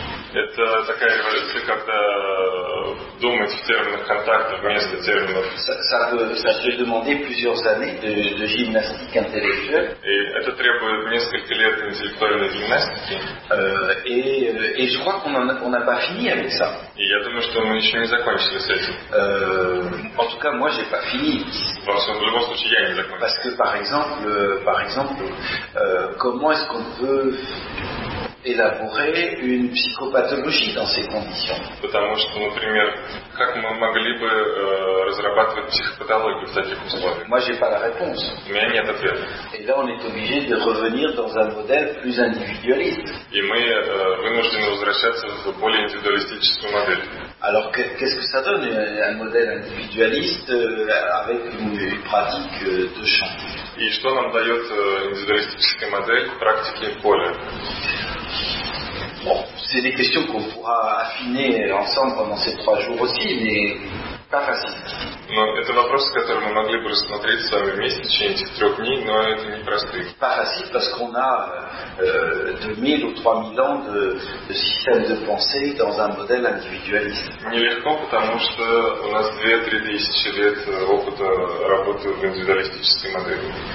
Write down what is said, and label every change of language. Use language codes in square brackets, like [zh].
[ru] Это такая революция, когда думать в терминах контакта вместо терминов. [fr] Ça peut demander plusieurs années de gymnastique intellectuelle. [ru] Et это требует несколько лет интеллектуальной гимнастики. [fr] Et je crois qu'on n'a pas fini avec ça. [ru] И я думаю, что мы еще не закончили с этим. [fr] En tout cas, moi, j'ai pas fini. Parce que, en tout cas, [ru] я не закончил. [fr] Parce que, par exemple, comment est-ce qu'on peut élaborer une psychopathologie dans ces conditions. [ru] Потому что, например, как мы могли бы разрабатывать психопатологию в таких условиях? [fr] Moi, j'ai pas la réponse. [ru] У меня нет ответа. [fr] Et là, on est obligé de revenir dans un modèle plus individualiste. [ru] И мы вынуждены возвращаться в более индивидуалистическую модель. А [fr] Alors qu'est-ce que ça donne un modèle individualiste avec une pratique de chant? [ru] И что нам дает индивидуалистическая модель практики поля? [fr] Bon, c'est des questions qu'on pourra affiner ensemble pendant ces trois jours aussi, mais pas facile. [ru] Но это вопросы, которые мы могли бы рассмотреть с вами вместе в течение этих трех дней, но это не простые. [fr] Pas facile parce qu'on a 2000 ou 3000 ans de système de pensée dans un modèle individualiste. [ru] Нелегко, потому что у нас 2-3 тысячи лет опыта работы в индивидуалистической модели.